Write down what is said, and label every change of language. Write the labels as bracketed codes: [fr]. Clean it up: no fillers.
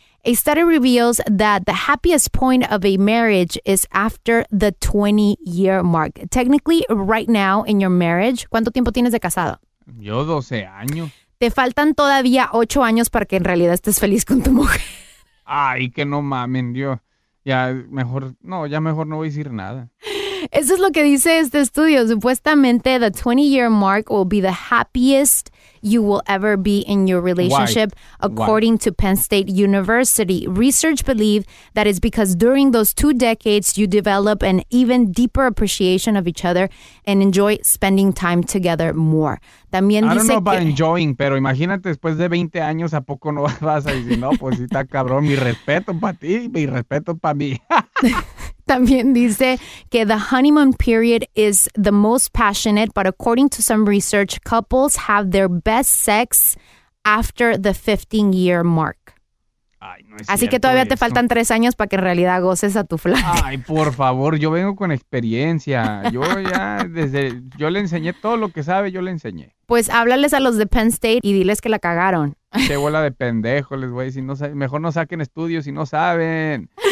[en] A study reveals that the happiest point of a marriage is after the 20-year mark. Technically, right now in your marriage, [es] ¿cuánto tiempo tienes de casado? Yo 12 años. Te faltan todavía 8 años para que en realidad estés feliz con tu mujer. Ay, que no mamen, Dios. Ya mejor no voy a decir nada. Eso es lo que dice este estudio. Supuestamente, [en] the 20-year mark will be the happiest you will ever be in your relationship. Why? According to Penn State University, research believe that it's because during those 2 decades, you develop an even deeper appreciation of each other and enjoy spending time together more. [es] También [en] I don't [es] dice [en] know about [es] que, [en] enjoying, [es] pero imagínate después de 20 años, ¿a poco no vas a decir, no, pues está cabrón, mi respeto para ti, mi respeto para mí? También dice que [en] the honeymoon period is the most passionate, but according to some research, couples have their best sex after the 15-year mark. [es] Ay, no es así que todavía eso. Te faltan 3 años para que en realidad goces a tu flaca. Ay, por favor, yo vengo con experiencia. Yo ya desde, yo le enseñé todo lo que sabe, yo le enseñé. Pues háblales a los de Penn State y diles que la cagaron. Qué bola de pendejo, les voy a decir. No, mejor no saquen estudios si no saben.